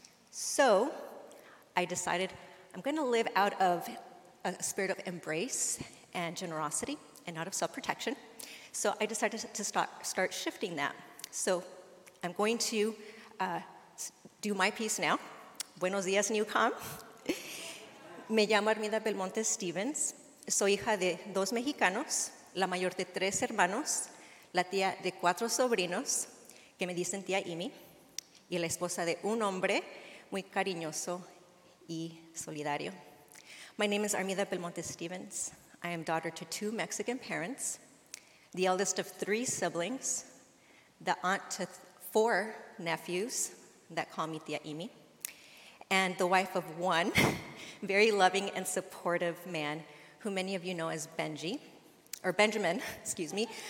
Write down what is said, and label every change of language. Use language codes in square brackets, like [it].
[en] So I decided I'm going to live out of a spirit of embrace and generosity and not of self-protection. So I decided to start shifting that. So I'm going to do my piece now. [es] Buenos días, Newcomb. Me llamo Armida Belmonte Stevens. Soy hija de dos mexicanos, la mayor de tres hermanos, la tía de cuatro sobrinos, que me dicen tía Imi, y la esposa de un hombre muy cariñoso y solidario. [en] My name is Armida Belmonte Stevens. I am daughter to two Mexican parents, the eldest of three siblings, the aunt to four nephews that call me tía Imi, and the wife of one very loving and supportive man who many of you know as Benji, or Benjamin, excuse me.